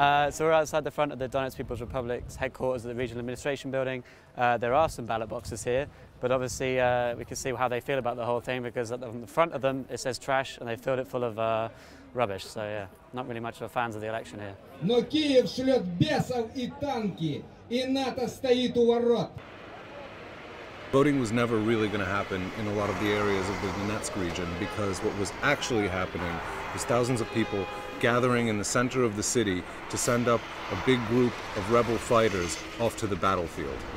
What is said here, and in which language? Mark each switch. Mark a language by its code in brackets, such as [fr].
[en] So we're outside the front of the Donetsk People's Republic's headquarters at the regional administration building. There are some ballot boxes here, but obviously we can see how they feel about the whole thing because on the front of them it says trash and they filled it full of rubbish. So yeah, not really much of a fan of the election here. [ru] Но Киев шлет бесов и танки, и НАТО стоит у ворот. [en] Voting was never really going to happen in a lot of the areas of the Donetsk region because what was actually happening was thousands of people gathering in the center of the city to send up a big group of rebel fighters off to the battlefield.